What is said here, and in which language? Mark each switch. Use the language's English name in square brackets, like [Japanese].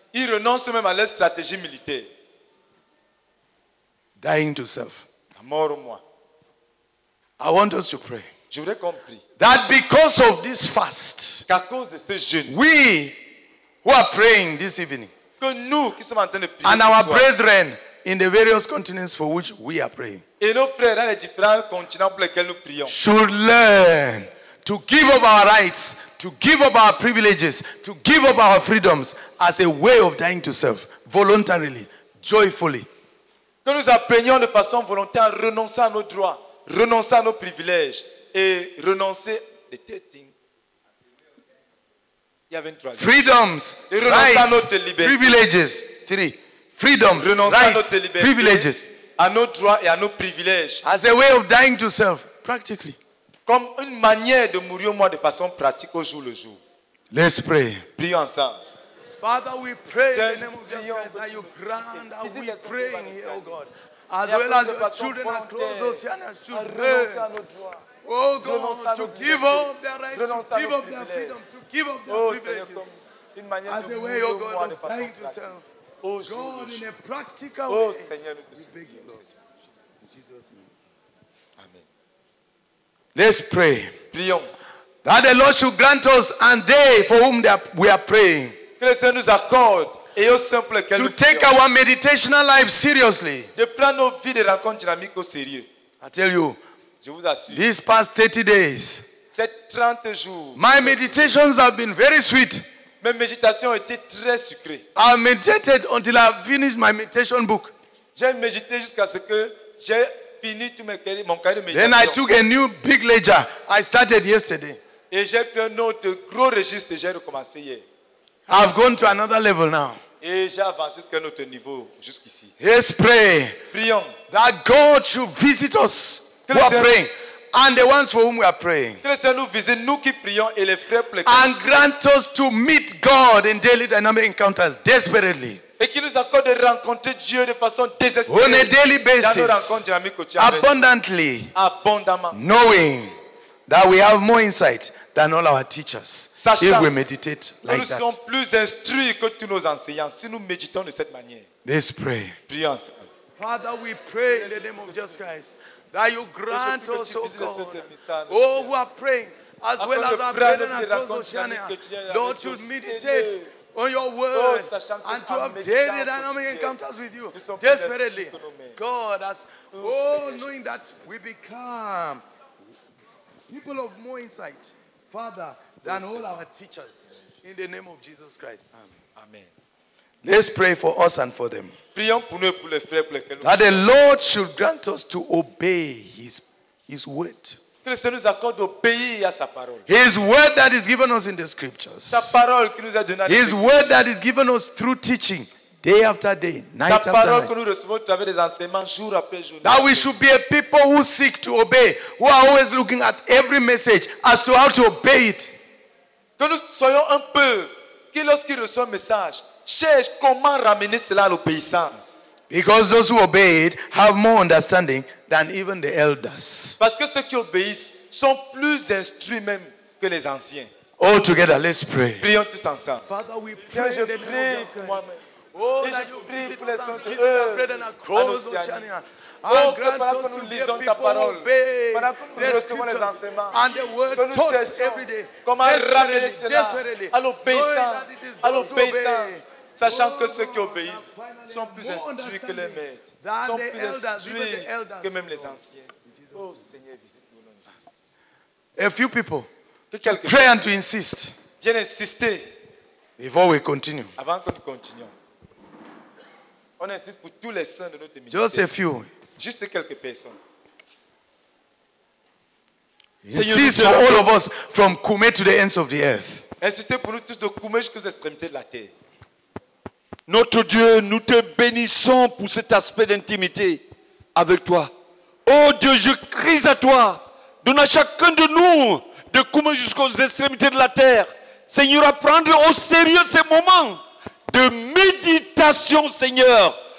[French] Ils renoncent même à leur stratégie militaire. [English] dying to self. [French] La mort au moi. [English] I want us to pray. [French] Je voudrais qu'on prie. [English] That because of this fast, [French] qu'à cause de ce jeûne, [English] we who are praying this evening, [French] que nous qui sommes en train de prier, [English] and our brethren in the various continents for which we are praying, [French] et nos frères dans les différents continents pour lesquels nous prions, [English] should learn to give up our rights, to give up our privileges, to give up our freedoms as a way of dying to self, voluntarily, joyfully. [French] Que nous apprenions de façon volontaire, renoncer à nos droits, renoncer à nos privilèges et renoncer de telle thing. Il y avait une troisième. [English] Freedoms, rights, privileges. Three. Freedoms, [French] renoncer [English] rights, [French] à notre liberté, [English] privileges. [French] À nos droits et à nos privilèges. [English] As a way of dying to self, practically. [French] Comme une manière de mourir au moi de façon pratique au jour le jour. [English] Let's pray. [French] Prions ensemble. [English] Father, we pray in the name of Jesus Christ that you grant us. We pray here, O God. As well as your children are close, Oceania should pray. Oh God, to give up their rights, to give up their freedom, to give up their privileges. As a way, O God, of dying to self. God, in a practical way, we beg you, Lord. Let's pray. [French] Prions. [English] That the Lord should grant us and they for whom we are praying. [French] Que le Seigneur nous accorde et aux saints pour lesquels nous prions. [English] To take our meditational life seriously. [French] De prendre nos vies de rencontres dynamiques au sérieux. [English] I tell you. [French] Je vous assure. [English] These past 30 days. [French] Ces 30 jours. [English] My meditations have been very sweet. [French] Mes méditations étaient très sucrées. [English] I meditated until I finished my meditation book. [French] J'ai médité jusqu'à ce que j'ai fini tout mon cahier de méditation. [English] Then I took a new big ledger. I started yesterday. [French] Et j'ai pris un autre gros registre. J'ai recommencé hier. [English] I've gone to another level now. [French] Et j'ai avancé jusqu'à un autre niveau jusqu'ici. [English] Let's pray. [French] Prions. [English] That God should visit us. Que who are praying. And the ones for whom we are praying. [French] Que le Seigneur nous visite, nous qui prions et les frères pour lesquels. [English] And grant us to meet God in daily dynamic encounters desperately. [French] Et qui nous accorde de rencontrer Dieu de façon désespérée. [English] On a daily basis. [French] Dans nos rencontres dynamiques quotidiennes. [English] Abundantly. [French] Abondamment. [English] Knowing that we have more insight than all our teachers. [French] Sachant [English] if we meditate like [French] nous [English] that. [French] Nous sommes plus instruits que tous nos enseignants si nous méditons de cette manière. [English] Let's pray. [French] Prions. [English] Father, we pray in the name of Jesus Christ that you grant us, oh God. Oh, who are praying as well as our brethren across Oceania. Lord, to meditate on your word, oh, and to have daily dynamic encounters with you desperately. God, as knowing that we become people of more insight, Father, than all our teachers. In the name of Jesus Christ. Amen. Let's pray for us and for them. [French] Prions pour nous, pour les frères, pour lesquels nous [English] that the Lord should grant us to obey his word. [French] Que le Seigneur nous accorde d'obéir à sa parole. [English] His word that is given us in the scriptures. [French] Sa parole qui nous est donnée. [English] His word that is given us through teaching, day after day, night after night. [French] Sa parole que nous recevons à travers des enseignements jour après jour. [English] That we should be a people who seek to obey, who are always looking at every message as to how to obey it. [French] Que nous soyons un peu qui lorsqu'il reçoit un message cherche comment ramener cela à l'obéissance. [English] Because those who obey it have more understanding than even the elders. [French] Parce que ceux qui obéissent sont plus instruits même que les anciens. [English] All together, let's pray. [French] Prions tous ensemble. [English] Father, we pray. [French] Je prie moi-même. Et je prie pour les saints de Dieu. Oh, que pendant que nous lisons ta parole, pendant que nous recevons les enseignements, que nous cherchons comment ramener cela à l'obéissance, à l'obéissance. Sachant que ceux qui obéissent sont plus instruits que les maîtres, sont plus instruits que même les anciens. Oh Seigneur, visite-nous dans [English] Jésus. A few people, [French] que quelques [English] pray and to insist. [French] Viens insister. [English] Before we continue. [French] Avant que nous continuions. On insiste pour tous les saints de notre ministère. [English] Just a few. [French] Juste quelques personnes. [English] Insist for all of us from Koumé to the ends of the earth. [French] Insistez pour nous tous de Koumé jusqu'aux extrémités de la terre. Notre Dieu, nous te bénissons pour cet aspect d'intimité avec toi. Oh Dieu, je crie à toi. Donne à chacun de nous de Koumé jusqu'aux extrémités de la terre. Seigneur, à prendre au sérieux ces moments de méditation, Seigneur.